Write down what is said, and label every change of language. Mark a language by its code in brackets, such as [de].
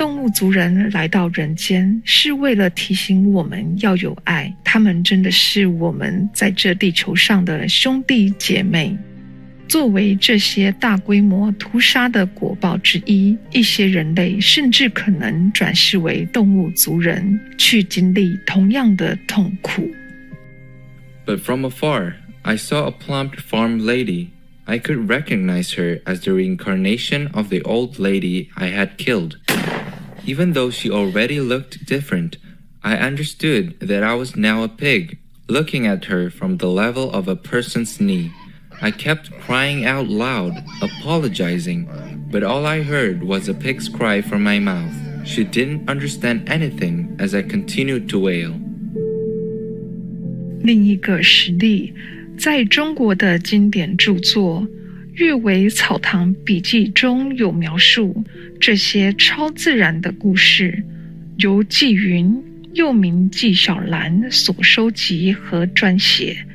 [zh] 族人来到人间是为了提醒我们要有爱，他们真的是我们在这地球上的兄弟姐妹。作为这些大规模屠杀的果报之一，一些人类甚至可能转世为动物族人，去经历同样的痛苦。 [en] But from afar, I saw a plump farm lady. I could recognize her as the reincarnation of the old lady I had killed. Even though she already looked different, I understood that I was now a pig, looking at her from the level of a person's knee. I kept crying out loud, apologizing, but all I heard was a pig's cry from my mouth. She didn't understand anything as I continued to wail. [zh] 另一个实例，在中国的经典著作《阅微草堂笔记》中有描述这些超自然的故事，由纪云，又名纪晓岚所收集和撰写。